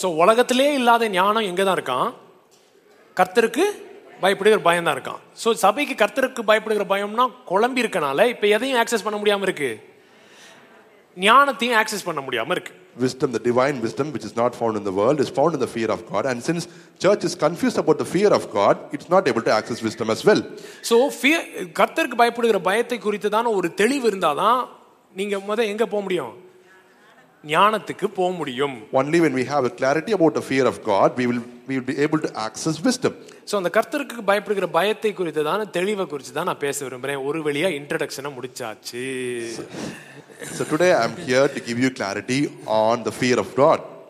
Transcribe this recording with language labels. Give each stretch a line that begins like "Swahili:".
Tamil: So உலகத்திலே இல்லாத ஞானம் எங்க தான் இருக்கான்? கர்த்தருக்கு பயப்படுகிற பயம் தான் இருக்கான். ஸோ சபைக்கு கர்த்தருக்கு பயப்படுகிற பயம்னா குழம்பி இருக்கனால இப்ப எதையும் ஆக்சஸ் பண்ண முடியாம இருக்கு, ஞானத்தையும் ஆக்சஸ் பண்ண முடியாம இருக்கு.
English: Wisdom, the divine wisdom which is not found in the world, is found in the fear of God. And since church is confused about the fear of God, it's not able to access wisdom as well. So fear,
Tamil: கர்த்தருக்கு பயப்படுகிற பயத்தை குறித்து தான ஒரு தெளிவு இருந்தாதான் நீங்க முத எங்க போக முடியும், ஞானத்துக்கு போக முடியும்.
English: Only when we have a clarity about the fear of God, we will be able to access wisdom.
Tamil: So அந்த கர்த்தருக்கு பயப்படுகிற பயத்தை குறித்து தான தெளிவை குறித்து தான் நான் பேச விரும்பறேன். ஒரு வழியா இன்ட்ரோடக்ஷன முடிச்சாச்சு.
English: So today I'm here to give you clarity on the fear of God.